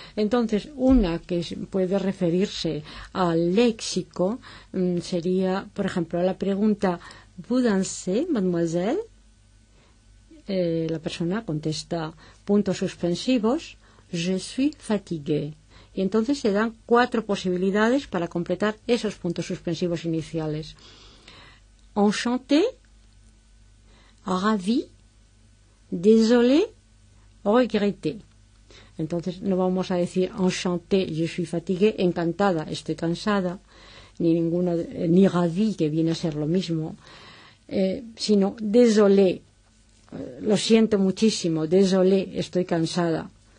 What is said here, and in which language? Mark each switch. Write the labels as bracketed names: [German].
[Spanish] Entonces, una que puede referirse al léxico sería, por ejemplo, la pregunta [French] «Vous dansez, mademoiselle?». [Spanish] La persona contesta puntos suspensivos. [French] Je suis fatigué. [Spanish] Y entonces se dan cuatro posibilidades para completar esos puntos suspensivos iniciales. [French] Enchanté, ravi, désolé, regretté. [Spanish] Entonces no vamos a decir [French] enchanté, je suis fatigué, [Spanish] encantada, estoy cansada, ni ravi, que viene a ser lo mismo, sino désolé, lo siento muchísimo, désolé, estoy cansada.